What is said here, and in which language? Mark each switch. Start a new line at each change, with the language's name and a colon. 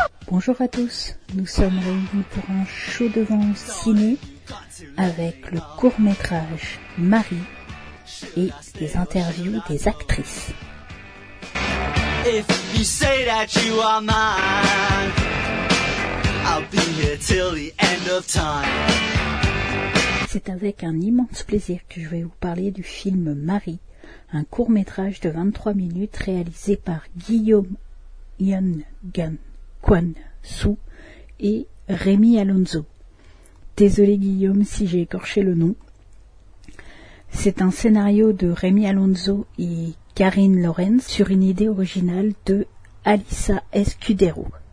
French: Bonjour à tous, nous sommes réunis pour un show devant ciné avec le court-métrage Marie et des interviews des actrices.
English: If you say that you are mine, I'll be here till the end of time.
French: C'est avec un immense plaisir que je vais vous parler du film Marie, un court-métrage de 23 minutes réalisé par Guillaume Yen Gan Kwan Su et Rémi Alonso. Désolé Guillaume si j'ai écorché le nom. C'est un scénario de Rémi Alonso et Karine Lorenz sur une idée originale de Alissa Escudero.